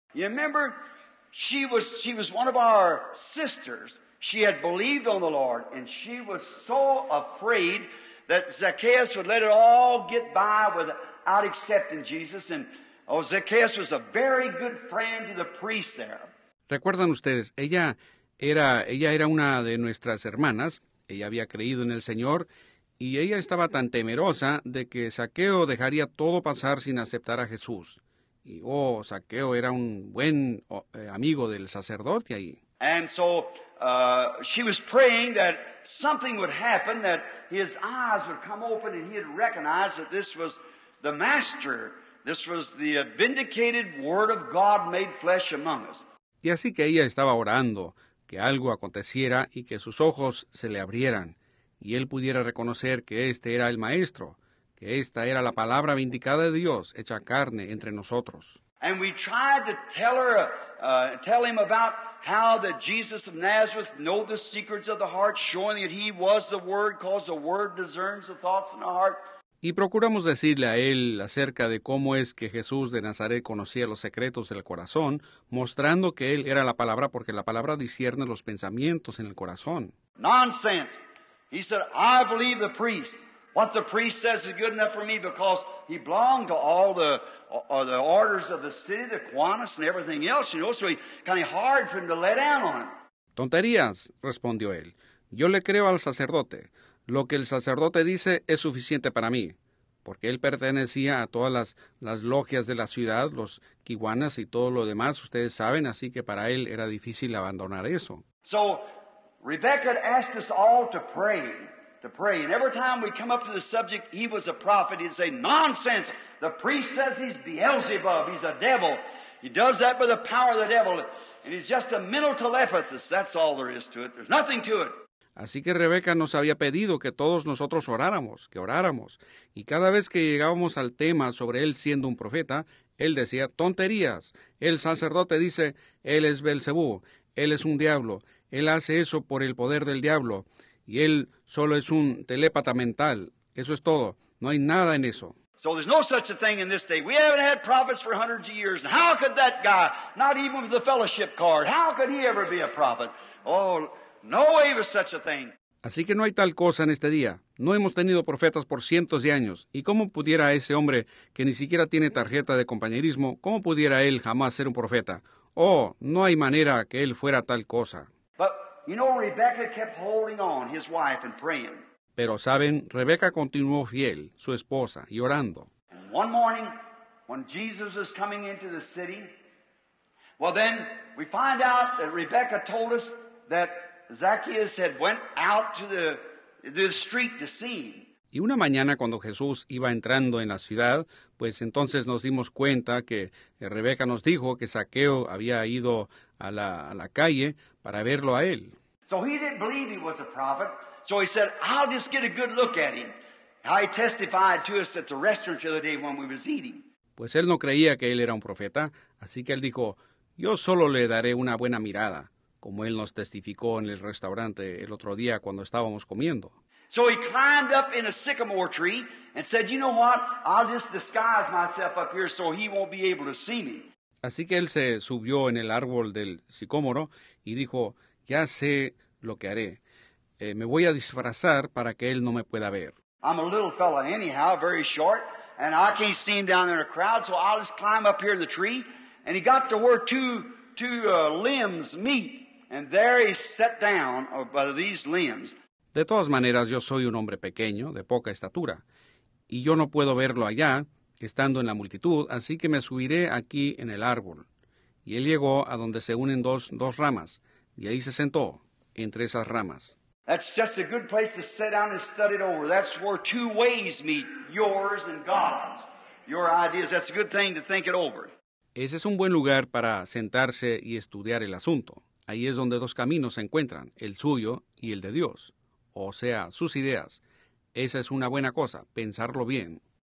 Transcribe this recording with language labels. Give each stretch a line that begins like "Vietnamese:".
English: You remember, she was one of our sisters. She had believed on the Lord and she was so afraid that Zacchaeus would let it all get by without accepting Jesus. And oh, Zacchaeus was a very good friend to the priest there.
Spanish: ¿Recuerdan ustedes? Ella era una de nuestras hermanas. Ella había creído en el Señor y ella estaba tan temerosa de que Zaqueo dejaría todo pasar sin aceptar a Jesús. Y oh, Zaqueo era un buen amigo del sacerdote ahí.
English: And so she was praying that something would happen, that his eyes would come open and he'd recognize that this was the Master. This was the vindicated Word of God made flesh among us.
Spanish: Y así que ella estaba orando que algo aconteciera y que sus ojos se le abrieran y él pudiera reconocer que este era el Maestro, que esta era la palabra vindicada de Dios hecha carne entre nosotros.
English: And we tried to tell him about how that Jesus of Nazareth knew the secrets of the heart, showing that he was the Word, because the Word discerns the thoughts in the heart.
Spanish: Y procuramos decirle a él acerca de cómo es que Jesús de Nazaret conocía los secretos del corazón, mostrando que él era la palabra porque la palabra discierne los pensamientos en el corazón.
English: Nonsense. He said, I believe the priest. What the priest says is good enough for me because he belonged to all the orders of the city, the Kiwanis and everything else, you know, so he kind of hard for him to let down on it.
Spanish: Tonterías, respondió él. Yo le creo al sacerdote. Lo que el sacerdote dice es suficiente para mí, porque él pertenecía a todas las logias de la ciudad, los Kiwanis y todo lo demás, ustedes saben, así que para él era difícil abandonar eso.
English: So, Rebecca asked us all to pray, and every time we come up to the subject, he was a prophet, he'd say, nonsense, the priest says he's Beelzebub, he's a devil, he does that by the power of the devil, and he's just a mental telepathy, that's all there is to it, there's nothing to it.
Spanish: Así que Rebeca nos había pedido que todos nosotros oráramos, que oráramos. Y cada vez que llegábamos al tema sobre él siendo un profeta, él decía, tonterías. El sacerdote dice, él es Belcebú, él es un diablo, él hace eso por el poder del diablo, y él solo es un telépata mental. Eso es todo. No hay nada en eso.
English: So there's no such a thing in this day. We haven't had prophets for hundreds of years. How could that guy, not even with the fellowship card, how could he ever be a prophet? Oh, no way was such a thing.
Spanish: Así que no hay tal cosa en este día. No hemos tenido profetas por cientos de años. ¿Y cómo pudiera ese hombre, que ni siquiera tiene tarjeta de compañerismo, cómo pudiera él jamás ser un profeta? Oh, no hay manera que él fuera tal cosa.
English: But, you know, Rebecca kept holding on, his wife, and praying.
Spanish: Pero, ¿saben? Rebeca continuó fiel, su esposa, y orando.
English: And one morning, when Jesus was coming into the city, well then, we find out that Rebecca told us that Zacchaeus had went out to the street to see him.
Spanish: Y una mañana cuando Jesús iba entrando en la ciudad, pues entonces nos dimos cuenta que Rebeca nos dijo que Zaqueo había ido a la calle para verlo a él.
English: So he didn't believe he was a prophet. So he said, I'll just get a good look at him. I testified to us at the restaurant the other day when we was eating.
Spanish: Pues él no creía que él era un profeta, así que él dijo, yo solo le daré una buena mirada, como él nos testificó en el restaurante el otro día cuando estábamos comiendo.
English: So he climbed up in a sycamore tree and said, you know what, I'll just disguise myself up here so he won't be able to see me.
Spanish: Así que él se subió en el árbol del sicómoro y dijo, ya sé lo que haré. Me voy a disfrazar para que él no me pueda ver.
English: I'm a little fella anyhow, very short, and I can't see him down there in a crowd, so I'll just climb up here in the tree. And he got to where two limbs meet, and there he sat down by these limbs.
Spanish: De todas maneras, yo soy un hombre pequeño, de poca estatura, y yo no puedo verlo allá, estando en la multitud, así que me subiré aquí en el árbol. Y él llegó a donde se unen dos ramas, y ahí se sentó. entre esas ramas.
English: That's just a good place to sit down and study it over. That's where two ways meet, yours and God's. Your ideas, that's a good thing to think it over.
Spanish: Ese es un buen lugar para sentarse y estudiar el asunto. Ahí es donde dos caminos se encuentran, el suyo y el de Dios, o sea, sus ideas. Esa es una buena cosa, pensarlo bien.